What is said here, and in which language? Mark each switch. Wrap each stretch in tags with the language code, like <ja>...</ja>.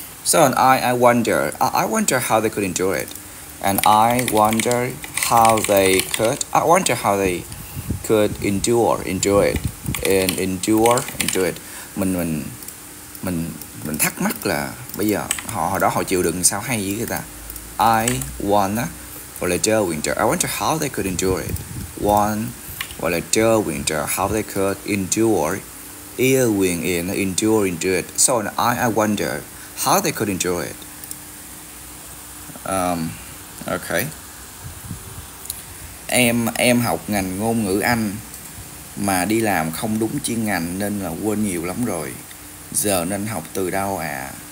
<en>So and I wonder how they could endure it.</en> <vi>Mình thắc mắc là bây giờ họ chịu đựng sao hay với người ta.</vi> <en>I wonder how they could endure it. So and I wonder how they could endure it.</en> <vi>Okay. Em học ngành ngôn ngữ Anh mà đi làm không đúng chuyên ngành nên là quên nhiều lắm rồi. Giờ nên học từ đâu à?</vi>